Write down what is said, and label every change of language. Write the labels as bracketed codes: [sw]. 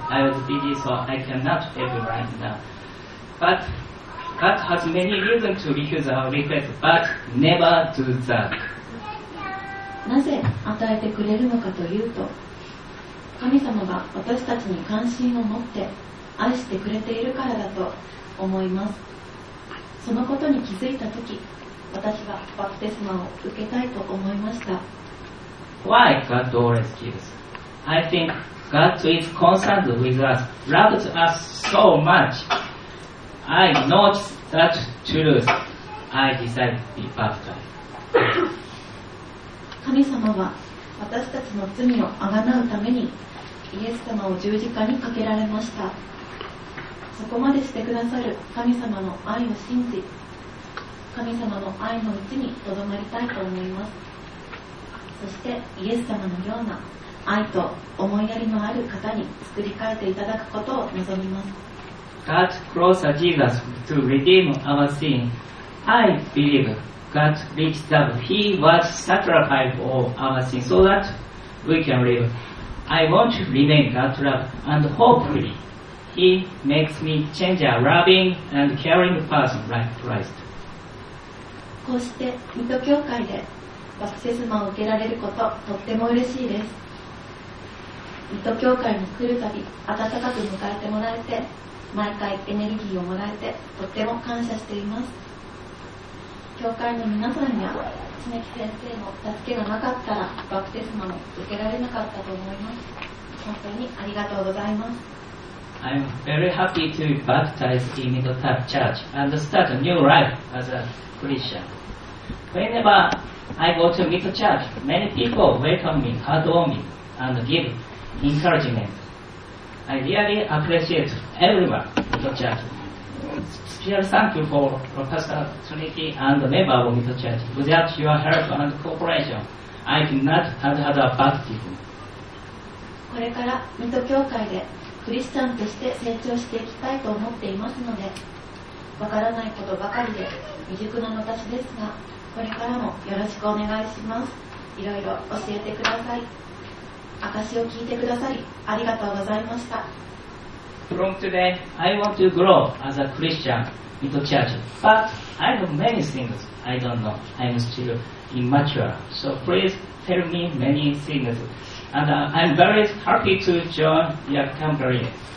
[en] I was busy, so I cannot help you right now. But God has many reasons to refuse our request, but never do that. [ja] なぜ与えてくれるのかというと、神様が私たちに関心を持って愛してくれているからだと思います。そのことに気づいたとき、私はバプテスマを受けたいと思いました。 [en] Why God always gives? I think God is concerned with us, loves us so much. I noticed that truth. I decided to be baptized. [ja] 神様は私たちの罪をあがなうためにイエス様を十字架にかけられました。そこまでしてくださる神様の愛を信じ、神様の愛のうちにとどまりたいと思います。そしてイエス様のような愛と思いやりのある方に作り変えていただくことを望みます。 [en] God closer Jesus to redeem our sin. I believe God reached up. He was sacrificed for our sin so that we can live. I want to remain God's love and hopefullyHe makes me change a loving and caring person like Christ. [ja] こうして水戸教会でバプテスマを受けられることとっても嬉しいです。水戸教会に来るたび温かく迎えてもらえて、毎回エネルギーをもらえてとっても感謝しています。教会の皆さんや常木先生の助けがなかったらバプテスマも受けられなかったと思います。本当にありがとうございます。 [en] I'm very happy to be baptized in the Top Church and start a new life as a Christian. Whenever I go to Middle Church, many people welcome me, heartwarming, and give encouragement. I really appreciate everyone in Middle Church. Special thank you for Professor Tsuniki and the member of Middle Church. Without your help and cooperation, I cannot have had a baptism. [ja] これから Middle Church でクリスチャンとして成長していきたいと思っていますので、わからないことばかりで未熟な私ですが、これからもよろしくお願いします。いろいろ教えてください。証を聞いてくださりありがとうございました。 [en] From today I want to grow as a Christian in the church, but I have many things I don't know. I'm still immature, so please tell me many thingsAnd I'm very happy to join your company.